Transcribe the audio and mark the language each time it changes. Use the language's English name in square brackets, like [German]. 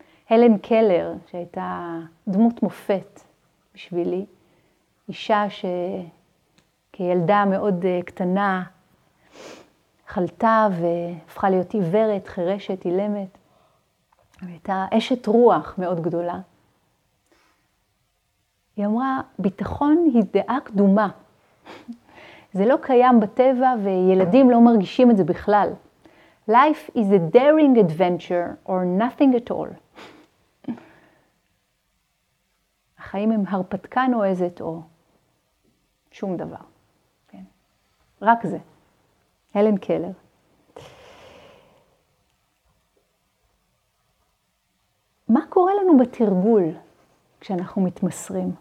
[Hebrew] הלן קלר, שהייתה דמות מופת בשבילי, אישה שכילדה מאוד קטנה, חלתה והפכה להיות עיוורת, חירשת, אילמת. הייתה אשת רוח מאוד גדולה. היא אמרה, ביטחון היא דעה קדומה. זה לא קיים בטבע וילדים לא מרגישים את זה בכלל. [English] Life is a daring adventure or nothing at all. [Hebrew] החיים הם הרפתקה נועזת או שום דבר. כן. רק זה. הלן קלר. מה קורה לנו בתרגול כשאנחנו מתמסרים?